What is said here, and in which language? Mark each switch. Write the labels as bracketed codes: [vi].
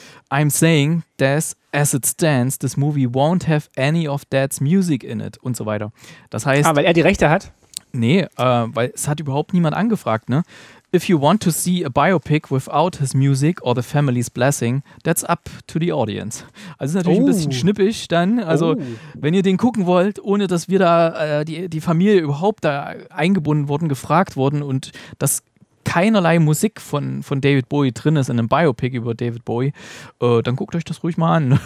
[en] I'm saying that as it stands, this movie won't have any of Dad's music in it [de] und so weiter. Das heißt, weil er die Rechte hat? Nee, weil es hat überhaupt niemand angefragt, ne? [en] If you want to see a biopic without his music or the family's blessing, that's up to the audience. [de] Also ist natürlich ein bisschen schnippisch dann. Also wenn ihr den gucken wollt, ohne dass wir da die Familie überhaupt da eingebunden wurden, gefragt wurden und dass keinerlei Musik von David Bowie drin ist in einem Biopic über David Bowie, dann guckt euch das ruhig mal an.